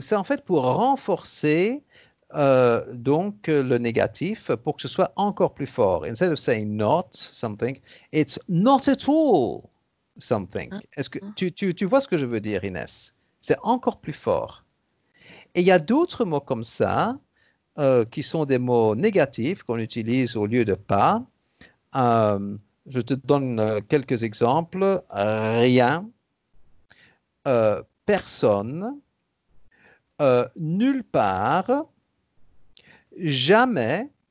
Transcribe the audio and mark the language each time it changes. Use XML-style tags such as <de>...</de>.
<fr>C'est en fait pour renforcer donc le négatif pour que ce soit encore plus fort.</fr> <en>Instead of saying not something, it's not at all something.</en> <fr>Est-ce que tu vois ce que je veux dire, Inès? C'est encore plus fort. Et il y a d'autres mots comme ça qui sont des mots négatifs qu'on utilise au lieu de pas. Je te donne quelques exemples. Rien, personne, nulle part, jamais.</fr>